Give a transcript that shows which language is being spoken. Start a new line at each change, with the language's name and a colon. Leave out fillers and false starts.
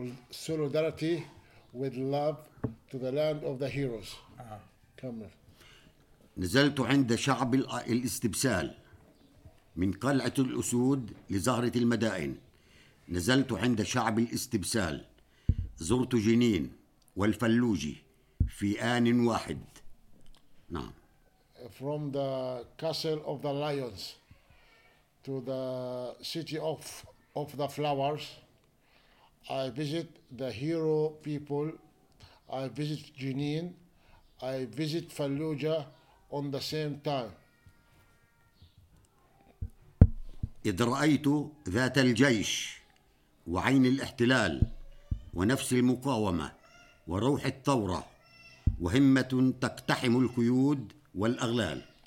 English: Solidarity with love to the land of the heroes.
Arabic: كمل. نزلت عند شعب الاستبسال من قلعة الأسود لزهرة المدائن. نزلت عند شعب الاستبسال زرت جنين والفلوجي في آن واحد. نعم.
English: From the castle of the lions to the city of the flowers, I visit the hero people, I visit Jenin, I visit Fallujah on the same time.
Arabic: إذ رأيت ذات الجيش وعين الاحتلال ونفس المقاومة وروح الثورة وهمة تقتحم القيود والأغلال.